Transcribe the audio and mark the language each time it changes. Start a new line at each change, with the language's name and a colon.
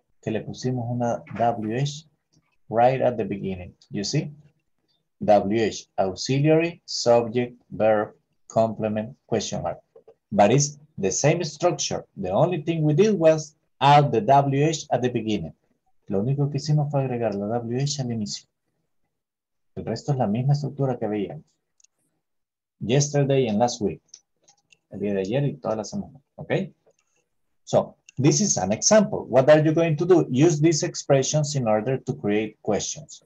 Spanish: Que le pusimos una
English: WH right at the beginning. You see? WH, auxiliary, subject, verb, complement, question mark. But it's the same structure. The only thing we did was add the WH at the beginning.
Spanish: Lo único que hicimos fue agregar la WH al inicio. El resto es la misma estructura que veíamos.
English: Yesterday and last week.
Spanish: El día de ayer y toda la semana.
English: Okay? So, this is an example. What are you going to do? Use these expressions in order to create questions.